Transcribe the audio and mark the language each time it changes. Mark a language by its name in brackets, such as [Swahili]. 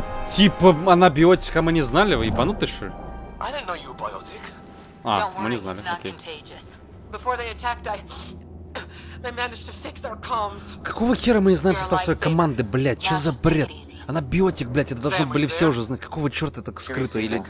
[Russian] Типа анабиотика, мы не знали, вы ебанутый, что ли? [English] I didn't know you were biotic. [Russian] А, мы не знали, окей. [English] Before they attacked, I managed to fix our comms. [Russian] Какого хера мы не знаем состав своей команды, блядь, чё за бред? Она биотик, блядь, это должны были все уже знать. Какого черта это так скрыто, или...